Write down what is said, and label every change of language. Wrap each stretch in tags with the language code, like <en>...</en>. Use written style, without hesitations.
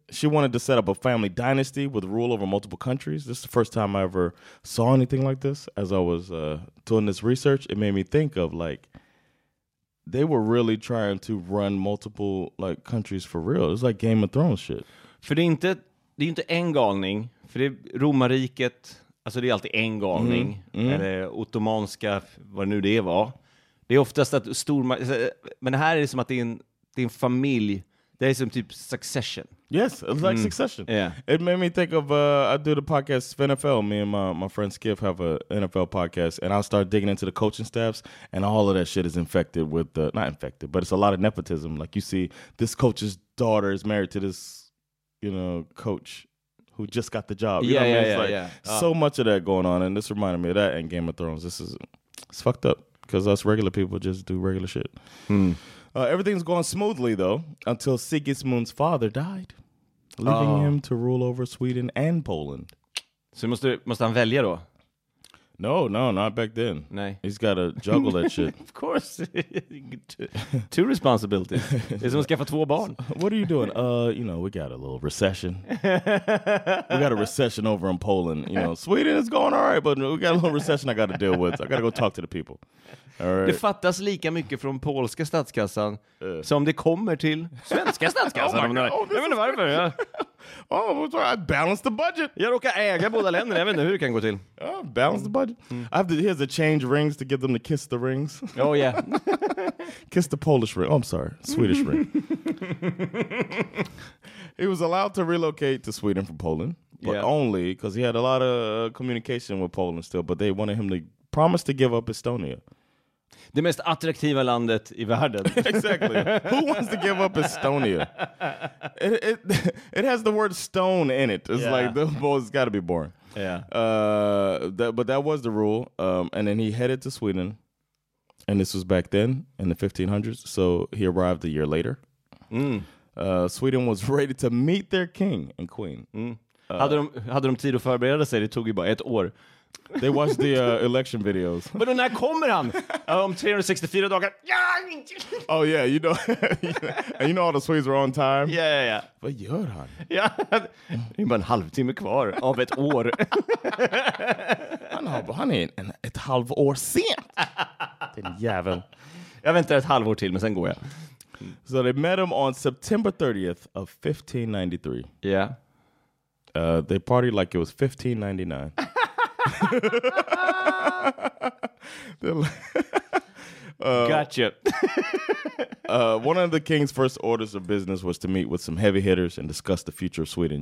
<en>She wanted to set up a family dynasty with rule over multiple countries. This is the first time I ever saw anything like this. As I was doing this research, it made me think of, like, they were really trying to run multiple, like, countries for real. It's like Game of Thrones shit.</en> <sv>För det är inte en galning. För det är Romarriket, alltså det är alltid en galning. Eller ottomanska, vad nu det var. Det är oftast att men här är det som att det är en familj. Det är som typ Succession.</sv> <en>Yes, it's like Succession. Yeah. It made me think of, I do the podcast for NFL. Me and my friend Skiff have a NFL podcast, and I start digging into the coaching staffs, and all of that shit is infected with, not infected, but it's a lot of nepotism. Like, you see, this coach's daughter is married to this, you know, coach who just got the job. So much of that going on, and this reminded me of that in Game of Thrones. It's fucked up, because us regular people just do regular shit. Everything's going smoothly, though, until Sigismund's father died, leaving him to rule over Sweden and Poland. So must</en> <sv>han välja då?</sv> <en>No, not back then.</en> <sv>Nej.</sv> <en>He's got to juggle that shit. Of course. Two responsibilities.</en> <sv>Det är som att skaffa två barn.</sv> <en>What are you doing? You know, we got a little recession. We got a recession over in Poland. You know, Sweden is going all right, but we got a little recession I got to deal with. So I got to go talk to the people. All right.</en> <sv>Det fattas lika mycket från polska statskassan som det kommer till svenska statskassan. Jag vet inte varför.</sv> <en>I balance the budget.</en> <sv>Jag råkar äga båda länderna. Jag vet inte hur det kan gå till.</sv> <en>Balance the budget. I have to, here's a change rings to get them to kiss the rings. Oh yeah. Kiss the Polish ring. Oh, I'm sorry. Swedish ring. He was allowed to relocate to Sweden from Poland, but only because he had a lot of communication with Poland still, but they wanted him to promise to give up Estonia.</en> <sv>Det mest attraktiva landet i världen.</sv> <en>Exactly. Who wants to give up Estonia? It has the word stone in it. It's like, the boy's got to be born. Yeah. But that was the rule. And then he headed to Sweden. And this was back then in the 1500s. So he arrived a year later. Sweden was ready to meet their king and queen.</en> <sv>Hade de tid att förbereda sig? Det tog ju bara ett år.</sv> <en>They watch the election videos.</en> <sv>Men när kommer han? Om 364 dagar.</sv> <en>Oh yeah, you know. And you know all the Swedes are on time. Yeah, yeah, yeah.</en> <sv>Vad gör han? Ja, det är bara en halvtimme kvar av ett år. Han är ett halvår sent. Den jäveln. Jag väntar ett halvår till, men sen går jag.</sv> <en>So they met him on September 30th of 1593. Yeah. They partied like it was 1599. Gotcha. One of the king's first orders of business was to meet with some heavy hitters and discuss the future of Sweden.</en>